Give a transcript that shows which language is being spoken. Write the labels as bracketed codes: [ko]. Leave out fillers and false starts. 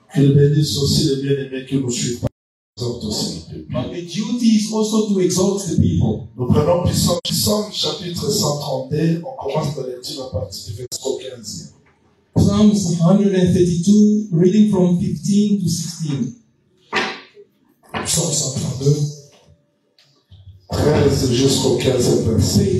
[fr] Qu'il bénisse aussi les bien-aimés qui nous suivent. [en] But the duty is also to exalt the people. [fr] Nous prenons Psaume chapitre 131, on commence la lecture à partir du verset 15. [en] Psalms 132, reading from 15 to 16. [fr] Psaume 132, 13 jusqu'au 15 verset.